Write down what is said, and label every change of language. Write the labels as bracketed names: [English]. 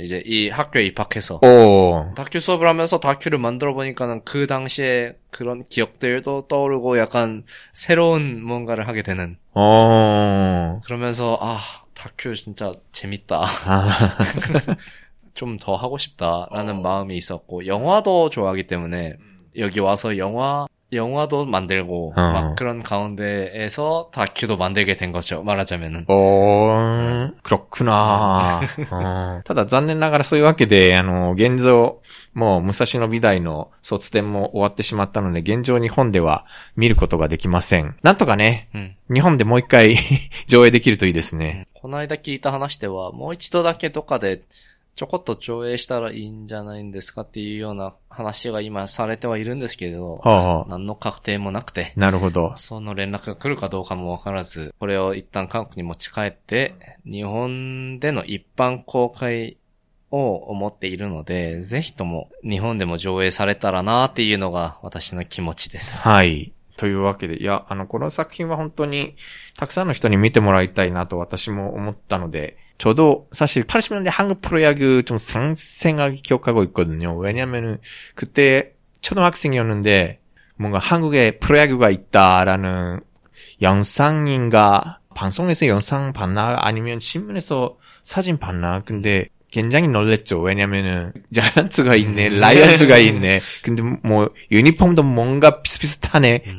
[Korean] 이제 이 학교에 입학해서 다큐 수업을 하면서 다큐를 만들어 보니까는 그 당시에 그런 기억들도 떠오르고 약간 새로운 뭔가를 하게 되는 그러면서 아 다큐 진짜 재밌다 좀 더 하고 싶다라는 마음이 있었고 영화도 좋아하기 때문에 여기 와서 영화도 만들고 막 그런 가운데에서 다큐도 만들게 된 거죠. 말하자면은. 그렇구나. [Japanese] 다만 残念ながらそういうわけで現状もう武蔵野美大の卒展も終わってしまったので現状日本では見ることができません。なんとかね、 日本でもう一回 上映できるといいですね。この間聞いた話ではもう一度だけどっかで ちょこっと上映したらいいんじゃないんですかっていうような話が今されてはいるんですけど、何の確定もなくて、なるほど。その連絡が来るかどうかもわからず、これを一旦韓国に持ち帰って、日本での一般公開を思っているので、ぜひとも日本でも上映されたらなっていうのが私の気持ちです。はい。というわけで、いや、この作品は本当にたくさんの人に見てもらいたいなと私も思ったので、 [Korean] 저도 사실 80년대 한국 프로야구 좀 상생하게 기억하고 있거든요. 왜냐면은 그때 초등학생이었는데 뭔가 한국에 프로야구가 있다라는 영상인가 방송에서 영상 봤나 아니면 신문에서 사진 봤나 근데 굉장히 놀랬죠. 왜냐면은 자이언츠가 있네, 라이언즈가 있네. 근데 뭐 유니폼도 뭔가 비슷비슷하네.